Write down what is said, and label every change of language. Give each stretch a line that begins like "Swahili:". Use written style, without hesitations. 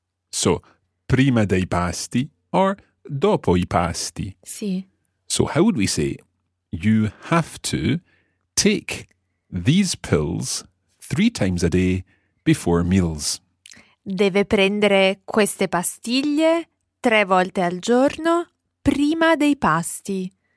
Italian: So, prima dei pasti or dopo I pasti. Sì.
English: So how would we say, you have to take these pills 3 times a day before meals?
Italian: Deve prendere queste pastiglie 3 volte al giorno prima dei pasti.